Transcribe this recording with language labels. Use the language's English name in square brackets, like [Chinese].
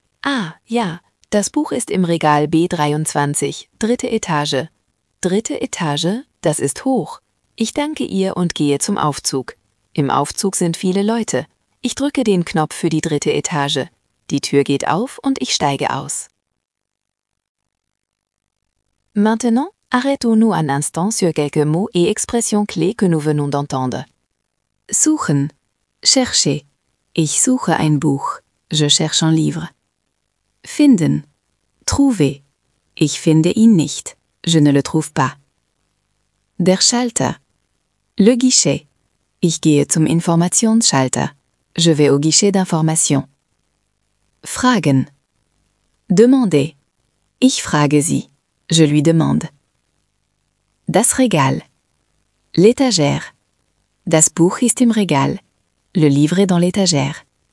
[German] Ah, ja, das Buch ist im Regal B23, dritte Etage. Dritte Etage, das ist hoch. Ich danke ihr und gehe zum Aufzug. Im Aufzug sind viele Leute. Ich drücke den Knopf für die dritte Etage. Die Tür geht auf und ich steige aus. [French] Maintenant, arrêtons-nous un instant sur quelques mots et expressions clés que nous venons d'entendre. [German] Suchen. [French] Chercher. [German] Ich suche ein Buch. [French] Je cherche un livre. [German] Finden. [French] Trouver. [German] Ich finde ihn nicht. [French] Je ne le trouve pas. [German] Der Schalter. [French] Le guichet. [German] Ich gehe zum Informationsschalter. [French] Je vais au guichet d'information. [German] Fragen. [French] Demander. [German] Ich frage sie. [French] Je lui demande. [German] Das Regal. [French] L'étagère. [German] Das Buch ist im Regal. [French] Le livre est dans l'étagère.